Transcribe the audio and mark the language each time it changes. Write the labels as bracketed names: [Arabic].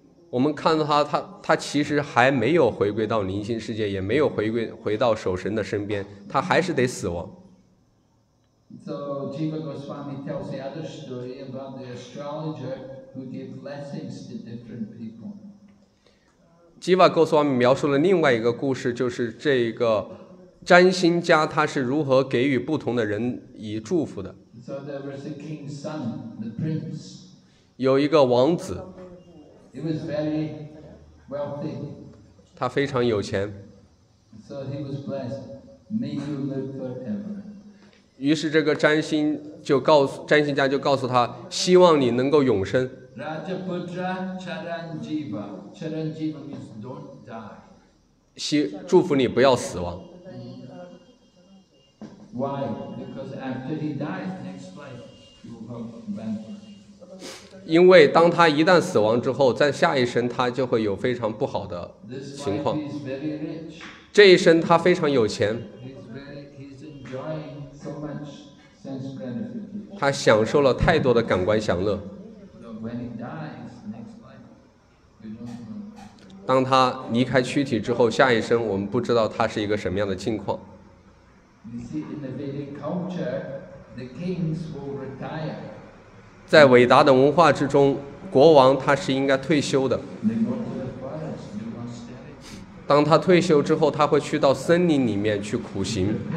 [Chinese] 我们看到他其实还没有回归到灵性世界，也没有回到守神的身边，他还是得死亡。 [English] So Jiva Goswami tells the other story about the astrologer who gave blessings to different people. [Chinese] Jiva Goswami 描述了另外一个故事，就是这个占星家他是如何给予不同的人以祝福的。 [English] So there was a king's son, the prince. [Chinese] 有一个王子。 [English] He was very wealthy. [Chinese] 他非常有钱。 [English] So he was blessed. May you live forever. [Chinese] 于是这个占星家就告诉他，希望你能够永生。 [English] Rajaputra Charanjeeva. Charanjeeva means don't die. [Chinese] 祝福你不要死亡。 [English] Why? Because after he dies, next life you will have vampire. [Chinese] 因为当他一旦死亡之后，在下一生他就会有非常不好的情况。 [English] This life he's very rich. [Chinese] 这一生他非常有钱。 [English] He's enjoying so much sense gratification. [Chinese] 他享受了太多的感官享乐。 [English] When he dies, next life you don't know. [Chinese] 当他离开躯体之后，下一生我们不知道他是一个什么样的境况。 [English] You see, in the Vedic culture, the kings will retire. [Chinese] 在伟达的文化之中，国王他是应该退休的。 [English] They go to the forest, they go study. [Chinese] 当他退休之后，他会去到森林里面去苦行。